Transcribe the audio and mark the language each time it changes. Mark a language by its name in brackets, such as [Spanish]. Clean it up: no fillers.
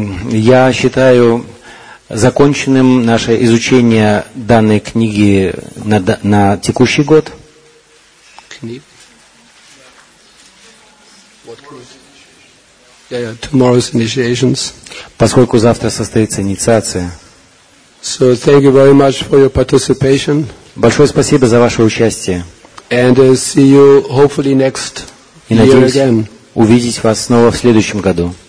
[Russian] Я считаю законченным наше изучение данной книги на текущий год. Книга? [English] What [Russian] книга? [English] Yeah, tomorrow's initiations. [Russian] Поскольку завтра состоится инициация. [English] So thank you very much for your participation. [Russian] Большое спасибо за ваше участие. [English] And see you hopefully next year again. [Russian] Увидеть вас снова в следующем году.